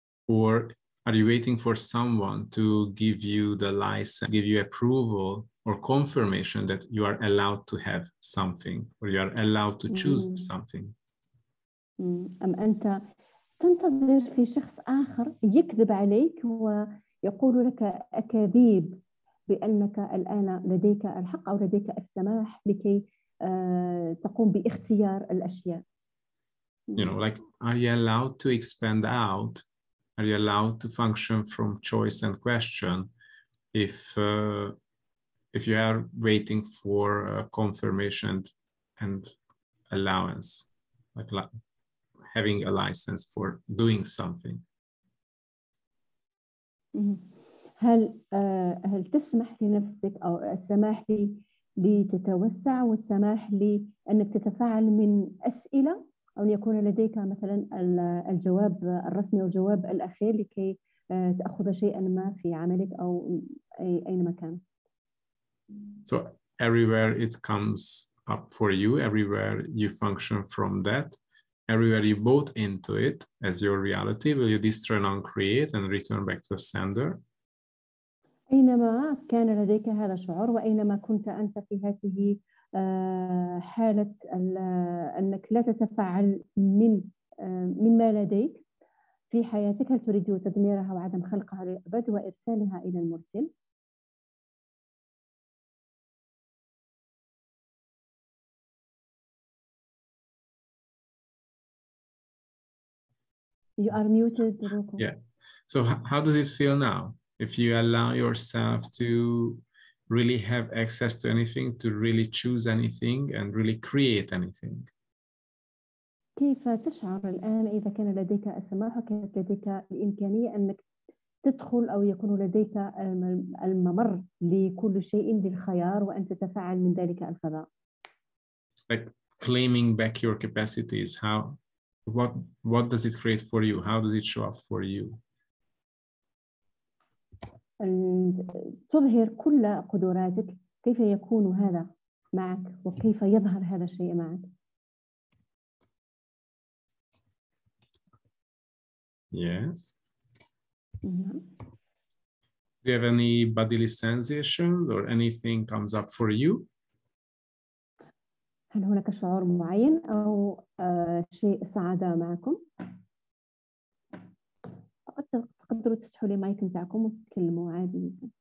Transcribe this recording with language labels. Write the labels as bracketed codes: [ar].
[en] Or are you waiting for someone to give you the license, give you approval or confirmation that you are allowed to have something or you are allowed to choose something? [ar] أم أنت تنتظر في شخص آخر يكذب عليك ويقول لك أكاذيب بأنك الآن لديك الحق أو لديك السماح لكي تقوم باختيار الأشياء. [en] You know, like, are you allowed to expand out? Are you allowed to function from choice and question if you are waiting for confirmation and allowance, like having a license for doing something? [ar] هل تسمح لنفسك أو السماح لتتوسع والسماح لأنك تتفاعل من أسئلة، أو يكون لديك مثلا الجواب الرسمي والجواب الأخير لكي تأخذ شيئا ما في عملك أو أينما كان. [en] So everywhere it comes up for you, everywhere you function from that, everywhere you bought into it as your reality, will you destroy and uncreate and return back to the sender? [ar] أينما كان لديك هذا الشعور وأينما كنت أنت في هذه حالة أنك لا تتفاعل من ما لديك في حياتك، هل تريد تدميرها وعدم خلقها للأبد وإرسالها إلى المرسل؟ [en] You are muted, Roku. Yeah. So how does it feel now? If you allow yourself to really have access to anything, to really choose anything and really create anything. [ar] كيف تشعر الآن إذا كان لديك السماح وكيف لديك الإمكانية أنك تدخل أو يكون لديك الممر لكل شيء بالخيار وأن تتفاعل من ذلك الفضاء؟ [en] Like claiming back your capacities, how, what does it create for you? How does it show up for you? [ar] تظهر كل قدراتك، كيف يكون هذا معك وكيف يظهر هذا الشيء معك؟ [en] Yes. Do you have any bodily sensations or anything comes up for you? [ar] هل هناك شعور معين أو شيء صعد معكم؟ تقدروا تفتحوا لي مايك نتاعكم وتتكلموا عادي.